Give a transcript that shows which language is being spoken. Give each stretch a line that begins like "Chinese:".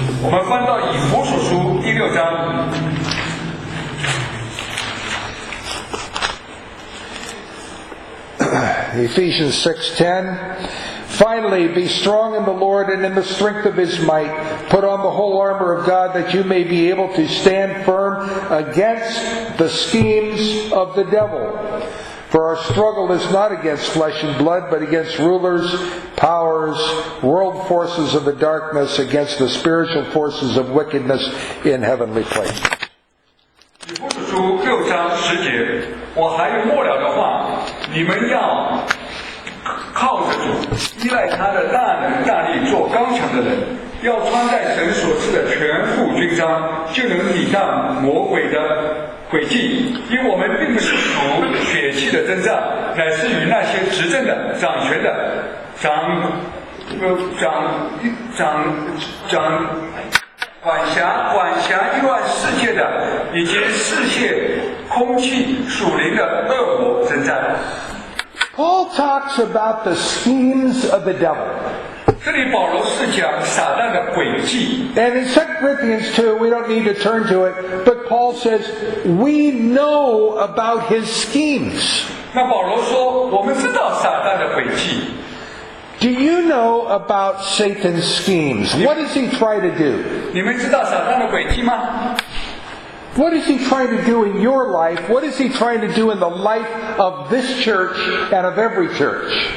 Chinese: 我们翻到以弗所书第六章。
English: Ephesians 6:10. Finally, be strong in the Lord and in the strength of His might. Put on the whole armor of God that you may be able to stand firm against the schemes of the devil. For our struggle is not against flesh and blood, but against rulers, powers, world forces of the darkness, against the spiritual forces of wickedness in heavenly places.
Chinese: 以弗所书6章10节，我还有末了的话，你们要靠着主，依赖他的大能大力，做刚强的人，要穿戴神所赐的全副军装，就能抵挡魔鬼的诡计。因我们并不是属血气的征战，乃是与那些执政的、掌权的、管辖一万世界的，以及世界空气属灵的恶魔征战。
English: Paul talks about the schemes of the devil.
Chinese: 这里保罗是讲撒旦的诡计。
English: And in 2 Corinthians 2, we don't need to turn to it, but Paul says, we know about his schemes.
Chinese: 那保罗说，我们知道撒旦的诡计。
English: Do you know about Satan's schemes? What does he try to do?
Chinese: 你们知道撒旦的诡计吗？
English: What is he trying to do in your life? What is he trying to do in the life of this church and of every church?